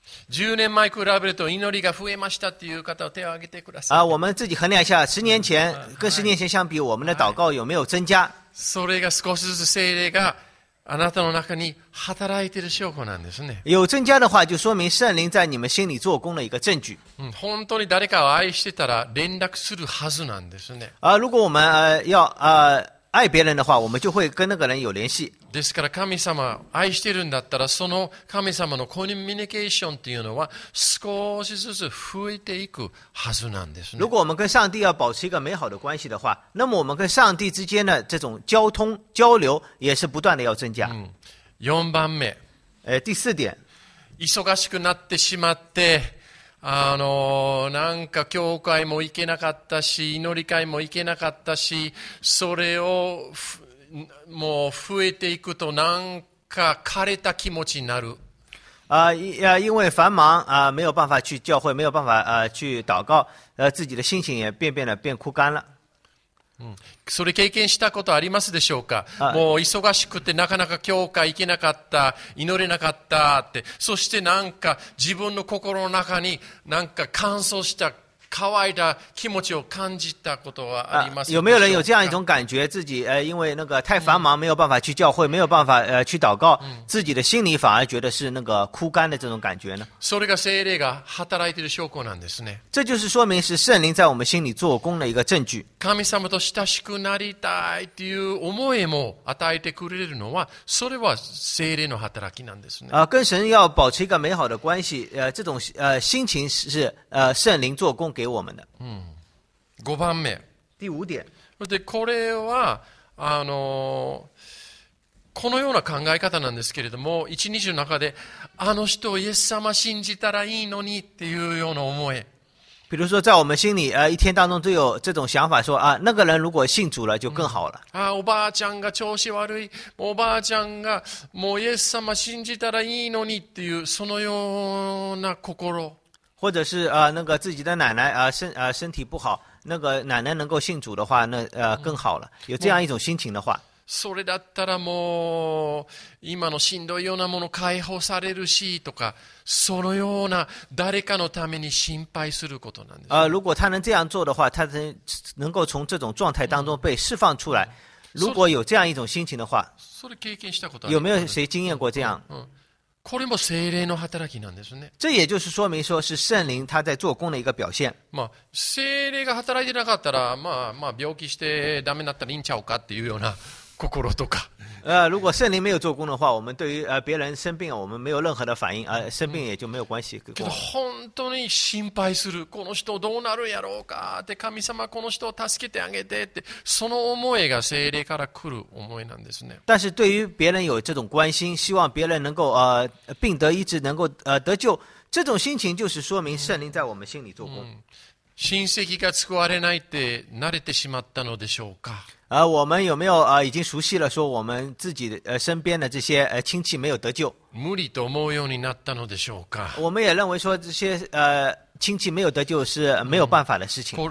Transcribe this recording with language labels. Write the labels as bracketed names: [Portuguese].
[Japanese] 10年前比べると祈りが増えましたっていう方を手を挙げてください。 [Chinese] 我们自己衡量一下，十年前跟十年前相比，我们的祷告有没有增加？ [Japanese] それが少しずつ聖霊があなたの中に働いている証拠なんですね。 [Chinese] 有增加的话就说明圣灵在你们心里做工的一个证据。 [Japanese] 本当に誰かを愛してたら連絡するはずなんですね。 [Chinese] 如果我们要爱别人的话，我们就会跟那个人有联系。 [Japanese] ですから神様を愛してるんだったら、その神様のコミュニケーションっていうのは少しずつ増えていくはずなんですね。 [Chinese] 如果我们跟上帝要保持一个美好的关系的话，那么我们跟上帝之间的这种交通交流也是不断的要增加。 [Japanese] 4番目。 [Chinese] 第四点。 [Japanese] 忙しくなってしまって、なんか教会も行けなかったし、祈り会も行けなかったし、それをもう増えていくとなんか枯れた気持ちになる。 [Chinese] 因为繁忙没有办法去教会，没有办法去祷告，自己的心情也变枯干了。 [Japanese] それ経験したことありますでしょうか？もう忙しくてなかなか教会行けなかった、祈れなかったって、そしてなんか自分の心の中になんか乾燥した乾いた気持ちを感じたことはありますでしょうか？ [Chinese] 有没有人有这样一种感觉，自己因为那个太繁忙，没有办法去教会，没有办法去祷告，自己的心里反而觉得是那个枯干的这种感觉呢？ [Japanese] それが聖霊が働いている証拠なんですね。 [Chinese] 这就是说明是圣灵在我们心里做工的一个证据。 [Japanese] 神様と親しくなりたいという思いも与えてくれるのは、それは聖霊の働きなんですね。 [Chinese] 跟神要保持一个美好的关系，这种心情是圣灵做工给我们的。 [Japanese] 5番目。 [Chinese] 第五点。 [Japanese] でこれはこのような考え方なんですけれども、一日の中であの人をイエス様信じたらいいのにっていうような思い。 [Chinese] 比如说在我们心里一天当中都有这种想法说啊，那个人如果信主了就更好了、 [Japanese] 嗯、啊，おばあちゃんが調子悪い、おばあちゃんがもうイエス様信じたらいいのにっていうそのような心。 [Chinese] 或者是那个自己的奶奶身体不好，那个奶奶能够信主的话，那更好了。有这样一种心情的话， [Japanese] それだったらもう今のしんどいようなもの解放されるしとか、そのような誰かのために心配することなんです。 [Chinese] 如果他能这样做的话，他能够从这种状态当中被释放出来。如果有这样一种心情的话， [Japanese] それ経験したことある？ [Chinese] 有没有谁经验过这样？ [Japanese] これも聖霊の働きなんですね。 [Chinese] 这也就是说明说是圣灵他在做工的一个表现。 [Japanese] まあ聖霊が働いてなかったら、まあ病気してダメになったらいいんちゃうかっていうような心とか。 [Chinese] 如果圣灵没有做工的话，我们对于别人生病，我们没有任何的反应，生病也就没有关系。 [Japanese] けど本当に心配する。この人どうなるやろうかって神様この人を助けてあげてってその思いが聖霊から来る思いなんですね。 [Chinese] 但是对于别人有这种关心，希望别人能够病得医治，能够得救，这种心情就是说明圣灵在我们心里做工。 [Japanese] 親戚が救われないって慣れてしまったのでしょうか。 [Chinese] 我们有没有已经熟悉了说我们自己身边的这些亲戚没有得救。 [Japanese] 無理と思うようになったのでしょうか。 [Chinese] 我们也认为说这些亲戚没有得救是没有办法的事情。